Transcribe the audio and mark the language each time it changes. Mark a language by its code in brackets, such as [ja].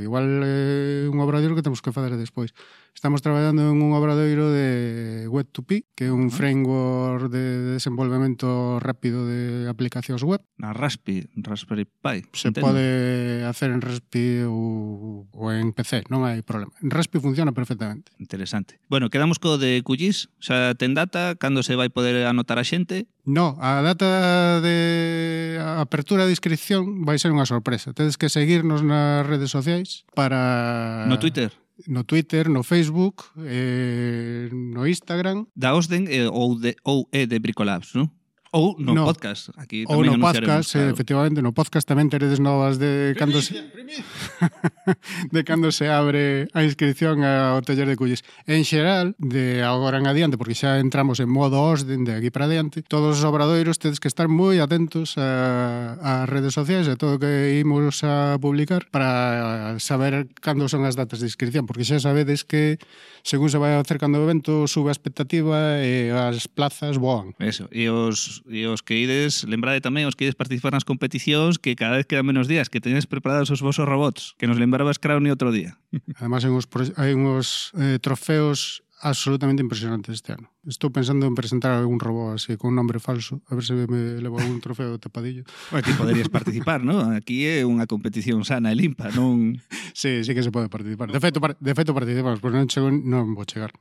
[es] Igual un obradoiro que tenemos que hacer después. Estamos trabajando en un obradoiro de Web2P, que es un framework de desenvolvimiento rápido de aplicaciones web. [gl] A Raspberry Pi. [es] Se entiendo. Puede hacer en Raspberry o en PC, no hay problema. En Raspberry funciona perfectamente. Interesante. Bueno, quedamos con de QGIS. O sea, [gl] ten data, [es] ¿cuándo se va a poder anotar a gente? [gl] No, a data de apertura de inscripción vai ser unha sorpresa. Tedes que seguirnos nas redes sociais para... No Twitter. No Twitter, no Facebook, no Instagram. Da Osden ou de Bricolabs, non? Ou no podcast. Aquí ou no podcast, claro. Efectivamente. No podcast tamén teredes novas de cando se... de cando se abre a inscripción ao taller de QGIS. En xeral, de agora en adiante, porque xa entramos en modo Osden de aquí para adiante, todos os obradoiros tedes que estar moi atentos a redes sociais, a todo o que imos a publicar, para saber cando son as datas de inscripción. Porque xa sabedes que, según se vai acercando o evento, sube a expectativa e as plazas voan. Eso, e os que ides, lembrade tamén, os que ides participar nas competicións, que cada vez quedan menos días, que teñes preparados os vosos robots, que nos lembrabas Crowny outro día. Además, hai uns trofeos absolutamente impresionantes este ano. Estou pensando en presentar algún robot así, [es] con un nombre falso, [gl] a ver se me levo algún trofeo de tapadillo. Aquí poderías participar, ¿no? Aquí é unha competición sana e limpa, non... Sí, sí que se pode participar. De feito participamos, pois non chego, non vou chegar.